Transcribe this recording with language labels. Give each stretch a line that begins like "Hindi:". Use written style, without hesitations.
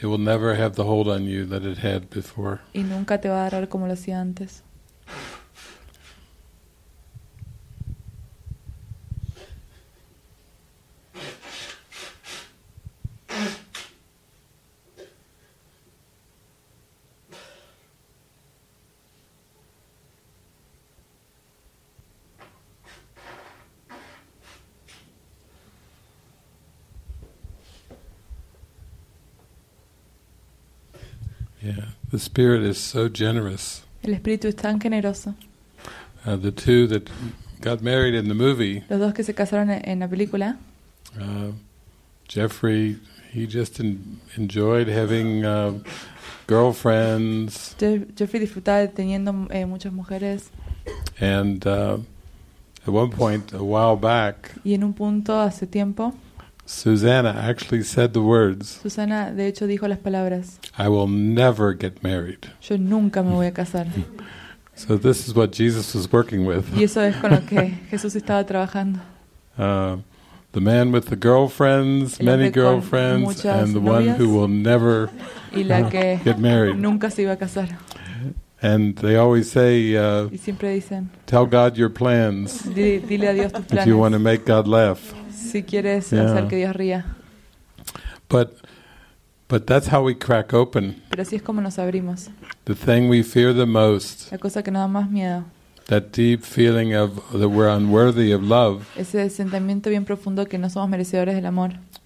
English: It will never have the hold on you that it had before.
Spanish: Y nunca te va a agarrar como lo hacía antes.
English: The spirit is so generous.
Spanish: El espíritu es tan generoso.
English: The two that got married in the movie.
Spanish: Los dos que se casaron en la película.
English: Jeffrey, he just enjoyed having girlfriends.
Spanish: Jeffrey disfrutaba teniendo muchas mujeres.
English: And at one point, a while back.
Spanish: Y en un punto hace tiempo.
English: Susanna actually said the words.
Spanish: Susanna, de hecho, dijo las palabras.
English: I will never get married.
Spanish: Yo nunca me voy a casar.
English: So this is what Jesus was working with.
Spanish: Y eso es con lo que Jesús estaba trabajando.
English: the man with the girlfriends, many girlfriends, and the one who will never get married.
Spanish: Nunca se iba a casar.
English: And they always say,
Spanish: y siempre dicen,
English: tell God your plans,
Spanish: dile a Dios tus planes,
English: if you want to make God laugh.
Spanish: Si quieres yeah. hacer que Dios ría.
English: But that's how we crack open.
Spanish: Pero así es como nos abrimos.
English: The thing we fear the most.
Spanish: La cosa que nos da más miedo.
English: That deep feeling of that we're unworthy of love.
Spanish: Ese sentimiento bien profundo que no somos merecedores del amor.